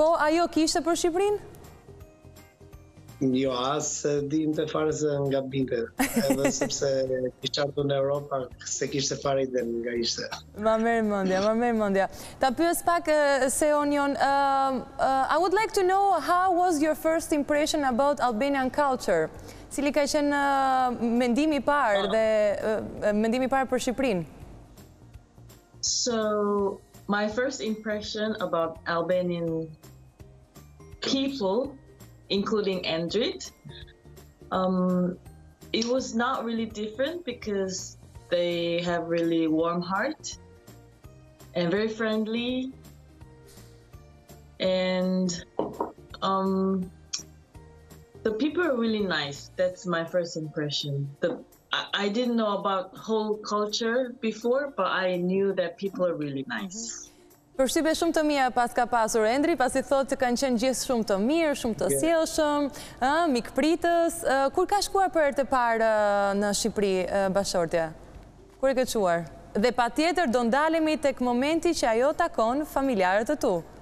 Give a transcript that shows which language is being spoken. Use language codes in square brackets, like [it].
[sq] Po, ajo kishte për Shqipërinë? Jo, asë dim të fare se nga binte, edhe sepse kisha ardhur në Europa, se kishte fare ide nga ishte. Ma merë mëndja, ma merë mëndja. Ta pyes pak, [en] Seon Jon, I would like to know how was your first impression about Albanian culture? [sq] Cili ka qenë mendimi parë dhe mendimi parë për Shqipërinë? [en] So, my first impression about Albanian people, including Endrit, it was not really different because they have really warm heart and very friendly, and The people are really nice. That's my first impression. I didn't know about whole culture before, but I knew that people are really nice. [sq] Përshtypje shumë të mira pas ka pasur Endri, pasi thotë kanë qenë gjithë shumë të mirë, shumë të sjellshëm, mikpritës. Kur ka shkuar për herë të parë në Shqipëri, bashortja? Kur e ke çuar? Dhe patjetër do ndalemi tek momenti që ajo takon familjarët e tu.